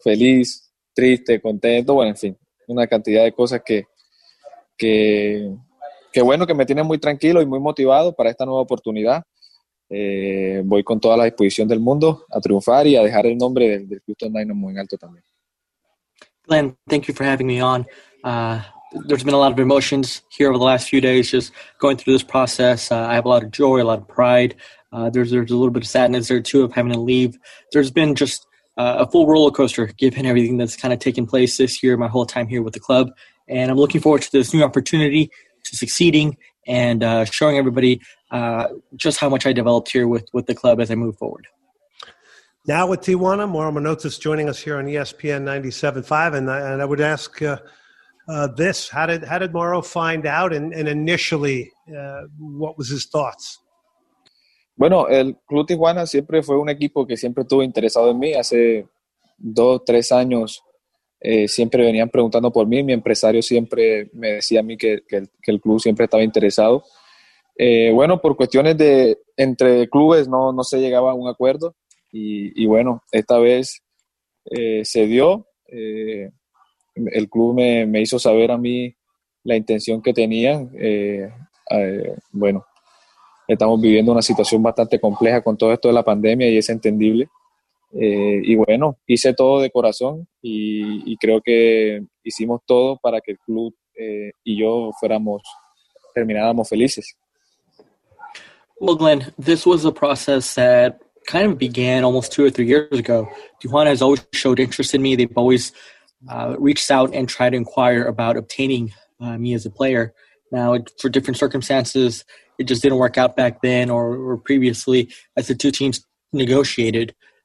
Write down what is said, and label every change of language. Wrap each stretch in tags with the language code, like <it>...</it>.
<es>Feliz, triste, contento. Bueno, en fin, una cantidad de cosas que que bueno, que me tiene muy tranquilo y muy motivado para esta nueva oportunidad. Voy con toda la disposición del mundo a triunfar y a dejar el nombre del, del Houston Dynamo en alto también.</es> <en>Glenn, thank you for having me on. There's been a lot of emotions here over the last few days, just going through this process. I have a lot of joy, a lot of pride. There's a little bit of sadness there too of having to leave. There's been just a full roller coaster given everything that's kind of taken place this year, my whole time here with the club. And I'm looking forward to this new opportunity to succeeding and showing everybody just how much I developed here with the club as I move forward. Now with Tijuana, Mauro Manotas joining us here on ESPN 97.5. And I would ask this, how did Mauro find out and initially what was his thoughts?</en> <es>Bueno, el Club Tijuana siempre fue un equipo que siempre estuvo interesado en mí. Hace 2-3 años siempre venían preguntando por mí. Mi empresario siempre me decía a mí que el club siempre estaba interesado. Bueno, por cuestiones de entre clubes no se llegaba a un acuerdo. Y bueno, esta vez se dio. El club me hizo saber a mí la intención que tenían. Bueno. Estamos viviendo una situación bastante compleja con todo esto de la pandemia y es entendible. Y bueno, hice todo de corazón y creo que hicimos todo para que el club y yo termináramos felices.</es> <en>Well, Glenn, this was a process that kind of began almost 2 or 3 years ago. Tijuana has always showed interest in me. They've always reached out and tried to inquire about obtaining me as a player. Now, for different circumstances, it just didn't work out back then or previously as the two teams negotiated.</en>